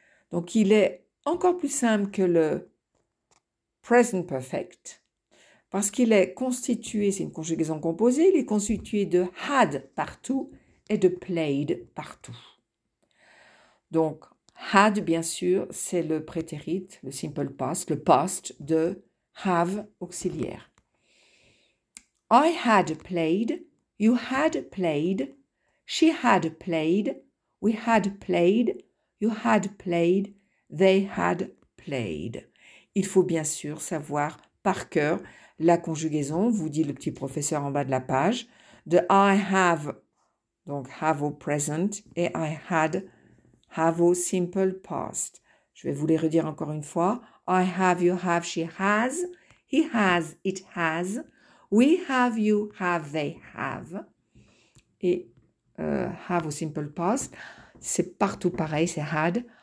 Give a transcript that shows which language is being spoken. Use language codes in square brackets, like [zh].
[fr] Donc, il est encore plus simple que le present perfect parce qu'il est constitué, c'est une conjugaison composée, il est constitué de had partout et de played partout. Donc, had, bien sûr, c'est le prétérit, le simple past, le past de have auxiliaire. [en] I had played, you had played, she had played, we had played, you had played, they had played. [fr] Il faut bien sûr savoir par cœur la conjugaison, vous dit le petit professeur en bas de la page, de I have, donc have au present, et I had. [en] Have a simple past. [fr] Je vais vous les redire encore une fois. [en] I have, you have, she has, he has, it has, we have, you have, they have. [fr] Et have a simple past, c'est partout pareil, c'est had.